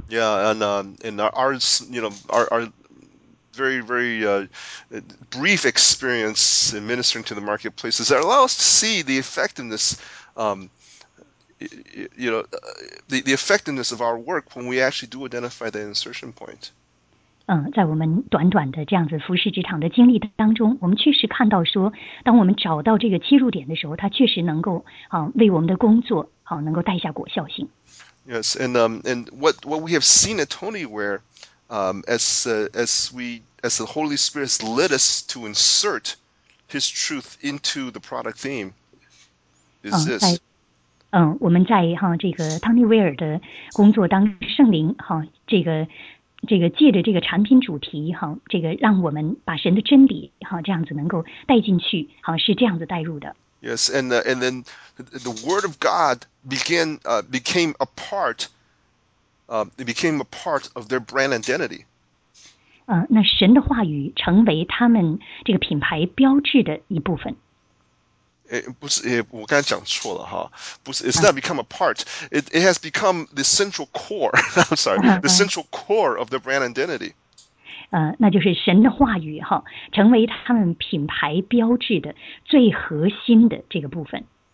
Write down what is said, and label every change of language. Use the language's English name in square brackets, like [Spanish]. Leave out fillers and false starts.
[English] Yeah, and our very very brief experience in ministering to the marketplaces that allow us to see the effectiveness. The effectiveness of our work when we actually do identify the insertion point. [Chinese] 在我们短短的这样子服侍职场的经历当中，我们确实看到说，当我们找到这个切入点的时候，它确实能够为我们的工作能够带下果效性。 [English] Yes, and what we have seen at Tony Ware, as the Holy Spirit has led us to insert His truth into the product theme. [Chinese] 我们在这个汤尼威尔的工作当圣灵这个这个借着这个产品主题哈，这个让我们把神的真理哈，这样子能够带进去哈，是这样子带入的。 [English] Yes, and the, and then the word of God began became a part. It became a part of their brand identity. [Chinese] 那神的话语成为他们这个品牌标志的一部分。不是，我刚才讲错了哈，不是 ， [English] it's not become a part. It has become the central core. I'm sorry, the central core of the brand identity. [Chinese] 那就是神的话语哈，成为他们品牌标志的最核心的这个部分。